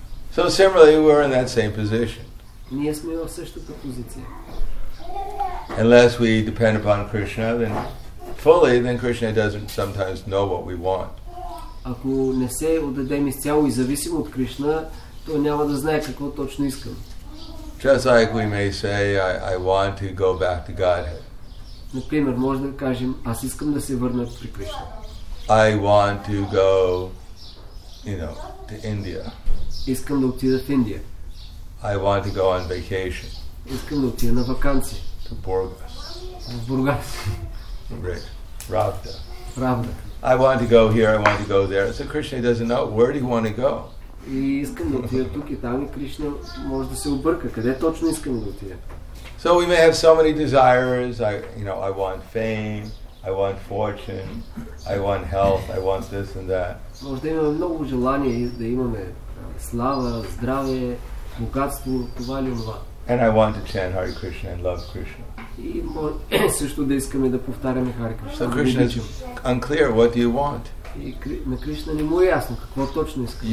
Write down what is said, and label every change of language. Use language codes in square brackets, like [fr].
[en] So similarly, we're in that same position. [bg] Ние сме в същата позиция. [en] Unless we depend upon Krishna, then fully, then Krishna doesn't sometimes know what we want. [bg] Ако не се отдадем изцяло и зависим от Кришна, то няма да знае какво точно искам. [en] Just like we may say, I want to go back to Godhead. [bg] Например, може да кажем, аз искам да се върна при Кришна. [en] I want to go, to India. [bg] Искам да отида в Индия. [en] I want to go on vacation. [bg] Искам да отида на ваканция. [en] To Burgas. [bg] Burgas. [en] Ravda. [bg] Ravda. [en] I want to go here, I want to go there. So Krishna doesn't know, where do you want to go? [bg] И искам да отида тук и там, и Кришна може да се обърка. Къде точно искам да отида? [en] So we may have so many desires. I want fame, I want fortune, I want health, I want this and that. [bg] Може да имаме много желания да имаме слава, здраве, богатство, това ли това. [en] And I want to chant Hare Krishna and love Krishna. [bg] Също да искаме да повтаряме Хари Кришна. [en] So Krishna is unclear, what do you want? [bg] На Кришна не му е ясно какво точно искаме.